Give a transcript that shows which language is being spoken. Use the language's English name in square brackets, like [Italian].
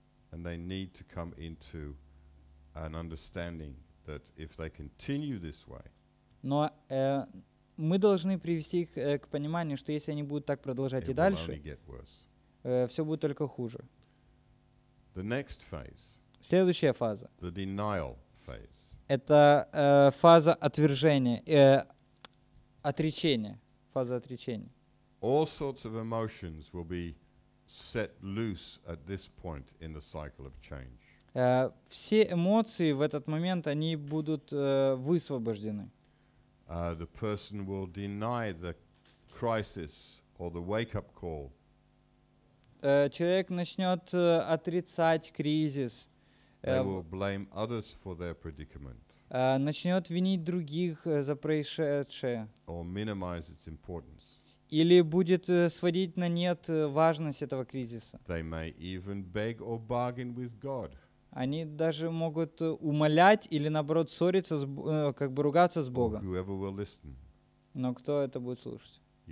[English] And they need to come into an understanding that if they continue this way. [Russian] Но мы должны привести их к пониманию, что если они будут так продолжать и дальше, все будет только хуже. [English] The next phase. [Russian] Следующая фаза. [English] The denial phase. [Russian] это фаза отвержения, отречения, фаза отречения. [English] All sorts of emotions will be set loose at this point in the cycle of change. [Russian] Все эмоции в этот момент они будут высвобождены. [English] The person will deny the crisis or the wake-up call. [Russian] Человек начнет отрицать кризис. [English] They will blame others for their predicament. [Russian] Начнет винить других за происшедшее. [English] Or minimize its importance. [Russian] Или будет сводить на нет важность этого кризиса. [English] They may even beg or bargain with God. [Russian] Они даже могут умолять или, наоборот, ссориться, с, как бы ругаться с Богом. Но кто это будет слушать?